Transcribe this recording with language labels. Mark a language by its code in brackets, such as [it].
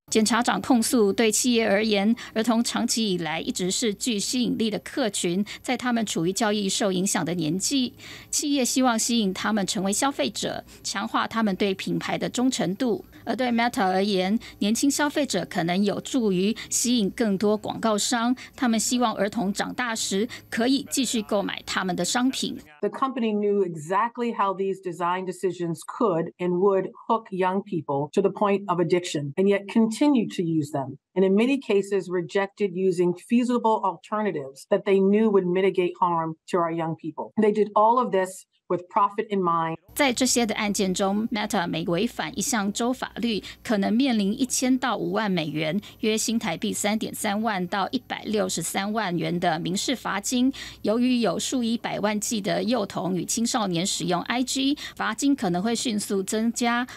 [zh] 检察长控诉，对企业而言，儿童长期以来一直是具吸引力的客群，在他们处于教育受影响的年纪，企业希望吸引他们成为消费者，强化他们对品牌的忠诚度。而对 Meta 而言，年轻消费者可能有助于吸引更多广告商，他们希望儿童长大时可以继续购买他们的商品。 [en] The company knew exactly how these design decisions could and would hook young people to the point of addiction, and yet continued to use them, and in many cases rejected using feasible alternatives that they knew would mitigate harm to our young people. They did all of this with profit in mind. [zh] 在这些的案件中 ，Meta 每违反一项州法律，可能面临1000到50,000美元（约新台币3.3万到163万元）的民事罚金。由于有数以百万计的幼童与青少年使用 IG， 罚金可能会迅速增加。